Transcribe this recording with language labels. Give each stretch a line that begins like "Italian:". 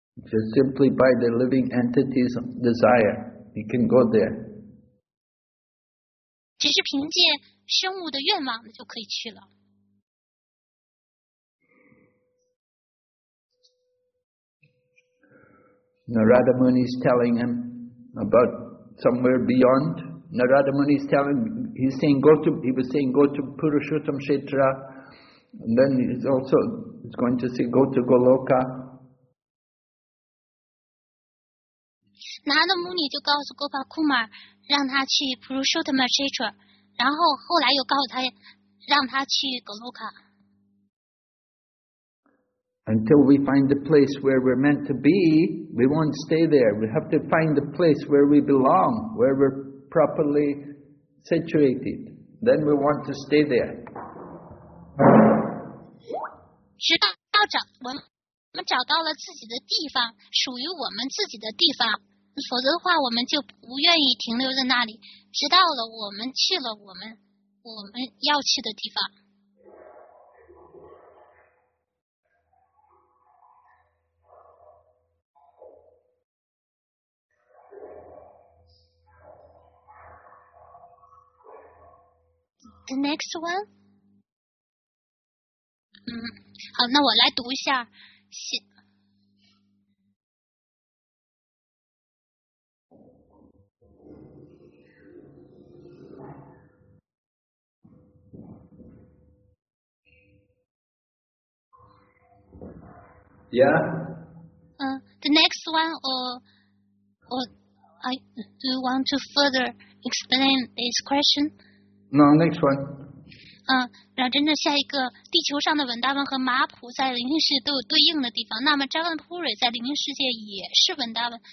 English: Just simply by the living entity's desire, he can go there.
Chinese: 只是凭借生物的愿望就可以去了。
English: Narada Muni is telling him about somewhere beyond. Narada Muni is telling, he's saying go to, he was saying go to Purushottam Kshetra, and then he's also he's going to say go to Goloka.
Chinese: Narada Muni 就告诉 Gopal Kumar 让他去 Purushottam Kshetra, 然后后来又告诉他让他去 Goloka.
English: Until we find the place where we're meant to be,We won't stay there. We have to find the place where we belong, where we're properly situated. Then we want to stay there.
Chinese: 直到我们找到了自己的地方，属于我们自己的地方，否则的话，我们就不愿意停留在那里。直到了我们去了我们要去的地方。
English: The next one?
Chinese: 好，那我来读一下。
English: Yeah? The next one, or do you want to further explain this question? No, next one.
Chinese: 然后真的下一个，地球上的文达文和马普在灵性世界都有对应的地方。那么扎根普瑞在灵性世界也是文达文。